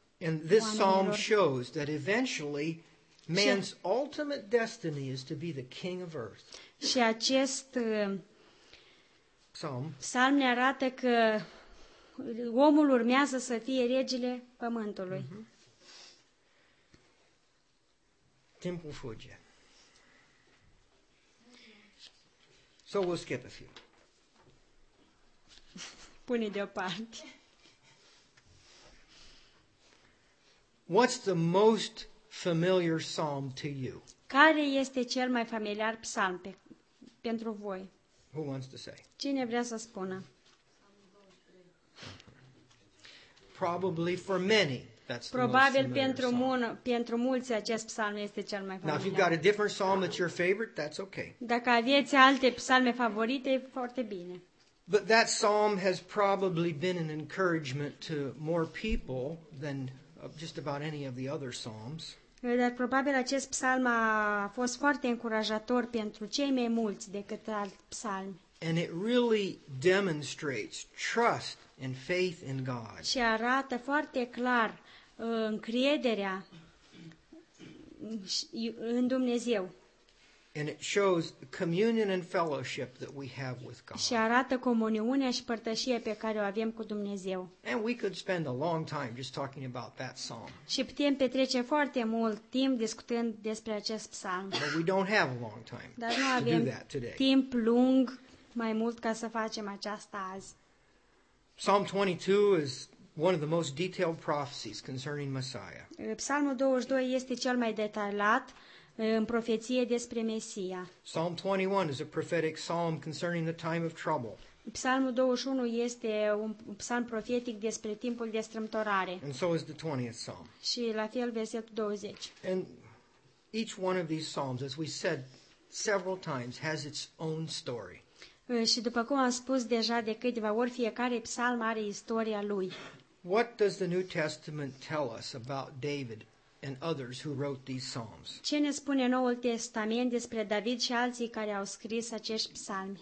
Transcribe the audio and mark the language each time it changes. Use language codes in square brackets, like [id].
[en] And this psalm shows that eventually man's ultimate destiny is to be the king of earth. [ro] Și acest psalm ne arată că omul urmează să fie regele pământului. Timpul fuge. [en] So we'll skip a few. [ro] pune deoparte. [en] What's the most familiar psalm to you? [ro] Care este cel mai familiar psalm pentru voi? [en] Who wants to say? [ro] Cine vrea să spună? [en] Probably for many. That's [ro] probabil pentru pentru mulți acest psalm este cel mai familiar. [en] Now, if you've got a different psalm that's your favorite, that's okay. [ro] Dacă aveți alte psalme favorite, e foarte bine. [en] But that psalm has probably been an encouragement to more people than just about any of the other psalms. [ro] Dar probabil acest psalm a fost foarte încurajator pentru cei mai mulți decât alt psalm. [en] And it really demonstrates trust and faith in God. [ro] Și arată foarte clar încrederea în Dumnezeu. [en] And it shows the communion and fellowship that we have with God. [ro] Și arată comuniunea și părtășia pe care o avem cu Dumnezeu. [en] And we could spend a long time just talking about that psalm. [ro] Și putem petrece foarte mult timp discutând despre acest psalm. [en] But we don't have a long time to do that today. [ro] Dar nu avem timp lung mai mult ca să facem aceasta azi. [en] Psalm 22 is one of the most detailed prophecies concerning Messiah. [ro] Psalmul 22 este cel mai detaliat în profeție despre Mesia. [en] Psalm 21 is a prophetic psalm concerning the time of trouble. [ro] Psalmul 21 este un psalm profetic despre timpul de strâmtorare. [en] And so is the 20th psalm. [ro] Și la fel versetul 20. [en] And each one of these psalms, as we said several times, has its own story. [ro] Și după cum am spus deja de câteva ori, fiecare psalm are istoria lui. [en] What does the New Testament tell us about David and others who wrote these psalms? [ro] Ce ne spune Noul Testament despre David și alții care au scris acești psalmi?